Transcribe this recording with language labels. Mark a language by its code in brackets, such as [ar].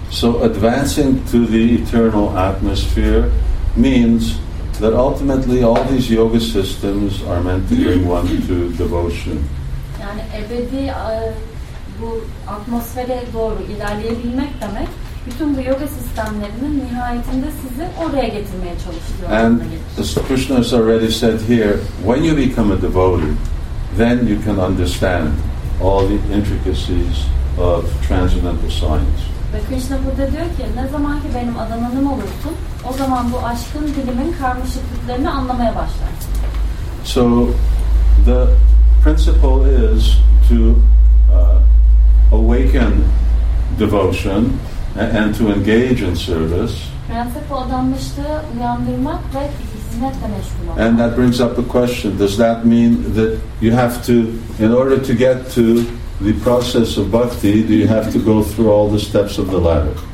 [en] So advancing to the eternal atmosphere means that ultimately all these yoga systems are meant to bring one to devotion. [tr] Yani ebedi bu atmosfere doğru ilerleyebilmek demek bütün bu yoga sistemlerinin nihayetinde sizi oraya getirmeye çalışıyor. [en] And as Krishna has already said here, when you become a devotee, then you can understand all the intricacies of transcendental science. [tr] Ve Krishna burada diyor ki, ne zaman ki benim adananım olursun, o zaman bu aşkın bilimin karmaşıklıklarını anlamaya başlarsın. [en] So the principle is to awaken devotion and to engage in service. And that brings up the question, does that mean that you have to, in order to get to the process of bhakti, do you have to go through all the steps of the ladder?